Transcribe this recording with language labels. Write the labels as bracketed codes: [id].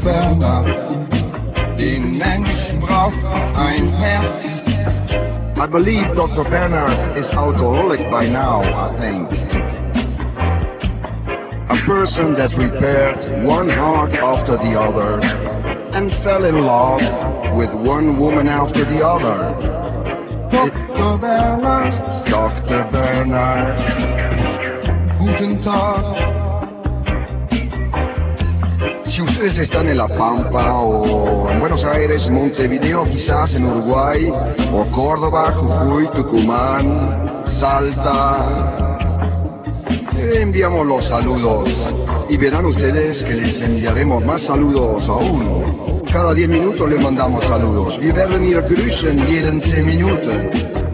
[de] Bernard, den Mensch braucht ein Herz. [en] I believe Dr. Bernard is alcoholic by now, I think. A person that repaired one heart after the other and fell in love with one woman after the other. Dr. Bernard, Dr. Bernard, [de] guten Tag. [es] Si ustedes están en La Pampa, o en Buenos Aires, Montevideo, quizás en Uruguay, o Córdoba, Jujuy, Tucumán, Salta, enviamos los saludos y verán ustedes que les enviaremos más saludos aún. Cada 10 minutos les mandamos saludos. [de] Wir werden ihr grüßen jeden 10 Minuten.